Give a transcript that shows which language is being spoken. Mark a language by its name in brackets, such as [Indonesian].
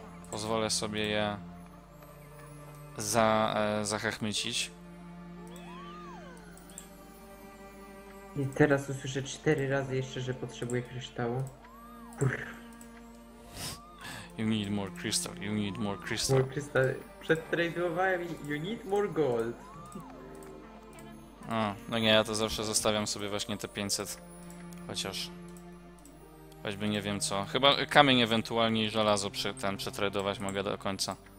[Polish] Pozwolę sobie je zachechmycić. I teraz usłyszę 4 razy jeszcze, że potrzebuję kryształu. Brr. [English] You need more crystal, you need more crystal. More crystal. [Polish] Przetradowałem i [English] you need more gold. [Polish] O, no nie, ja to zawsze zostawiam sobie właśnie te 500. Chociaż. Choćby nie wiem co. Chyba kamień ewentualnie i żelazo przetradować mogę do końca.